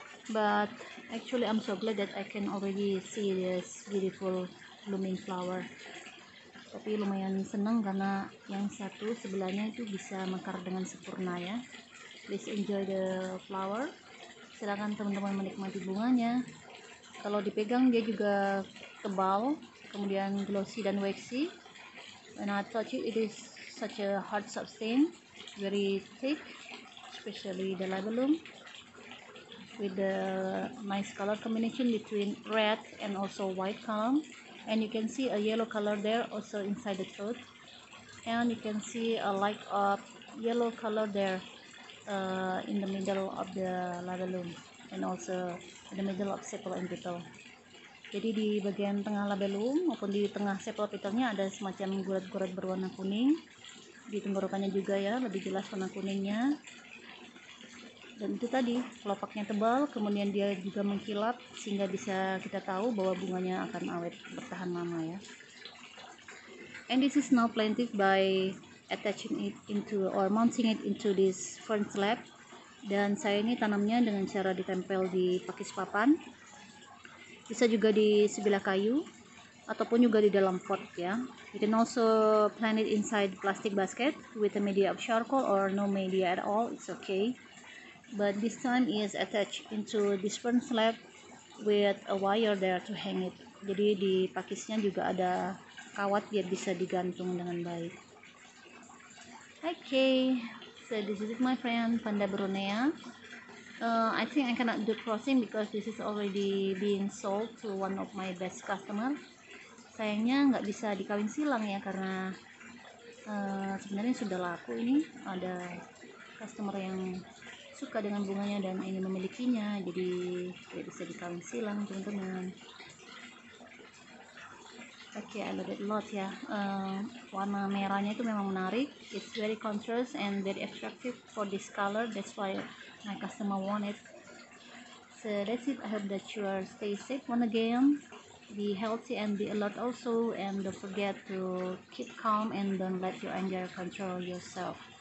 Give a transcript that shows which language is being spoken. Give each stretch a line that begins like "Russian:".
English: But actually I'm so glad that I can already see this beautiful blooming flower.
Indonesian: Tapi lumayan senang karena yang satu sebelahnya itu bisa mekar dengan sempurna ya.
English: Please enjoy the flower.
Indonesian: Silakan teman-teman menikmati bunganya. Kalau dipegang dia juga tebal, kemudian glossy dan waxy.
English: When I touch it, it is such a hard substance, very thick, especially the labellum with the nice color combination between red and also white color. And you can see a yellow color there also inside the throat. And you can see a like a yellow color there in the middle of the labellum and also in the middle of sepal and petal.
Indonesian: Jadi di bagian tengah labellum maupun di tengah sepal petalnya ada semacam gurat-gurat berwarna kuning. Di tenggorokannya juga ya, lebih jelas warna kuningnya. Dan itu tadi, kelopaknya tebal, kemudian dia juga mengkilap sehingga bisa kita tahu bahwa bunganya akan awet bertahan lama ya.
English: And this is now planted by attaching it into or mounting it into this fern slab.
Indonesian: Dan saya ini tanamnya dengan cara ditempel di pakis papan. Bisa juga di sebilah kayu ataupun juga di dalam pot ya.
English: You can also plant it inside plastic basket with a media of charcoal or no media at all, it's okay. But this time is attached into this fern slab with a wire there to hang it.
Indonesian: Jadi di pakisnya juga ada kawat biar bisa digantung dengan baik.
English: Okay, so this is it my friend, Panda Brunei. I think I cannot do crossing because this is already being sold to one of my best customer.
Indonesian: Sayangnya nggak bisa dikawin silang ya, karena sebenarnya sudah laku ini. Ada customer yang suka dengan bunganya dan ingin memilikinya, jadi tidak bisa dikawin silang, teman-teman. Oke,
English: okay, I love it a lot
Indonesian: ya. Warna merahnya itu memang menarik.
English: It's very contrast and very attractive for this color. That's why my customer want it. So that's it. I hope that you are stay safe one again. Be healthy and be alert also. And don't forget to keep calm and don't let your anger control yourself.